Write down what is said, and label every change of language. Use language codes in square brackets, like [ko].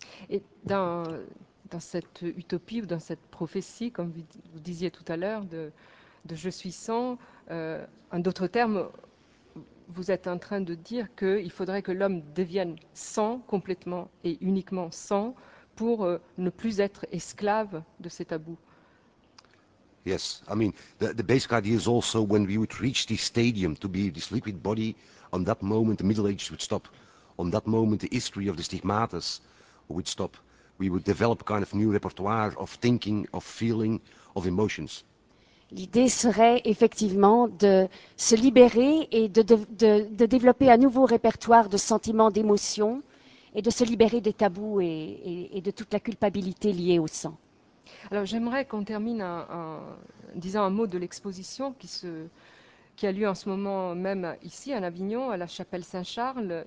[fr] Et dans cette utopie ou dans cette prophétie, comme vous disiez tout à l'heure, de « je suis sans », en d'autres termes, vous êtes en train de dire qu'il faudrait que l'homme devienne sans, complètement et uniquement sans, pour ne plus être esclave de ces tabous. [en] Yes, I mean, the basic idea is also when we would reach this stadium to be this liquid body, on that moment the Middle Ages would stop. On that moment the history of the stigmatas would stop. We would develop a kind of new repertoire of thinking, of feeling, of emotions. [fr] L'idée serait effectivement de se libérer et de développer un nouveau répertoire de sentiments, d'émotions, et de se libérer des tabous et de toute la culpabilité liée au sang. Alors j'aimerais qu'on termine en disant un mot de l'exposition qui a lieu en ce moment même ici à Avignon, à la chapelle Saint-Charles.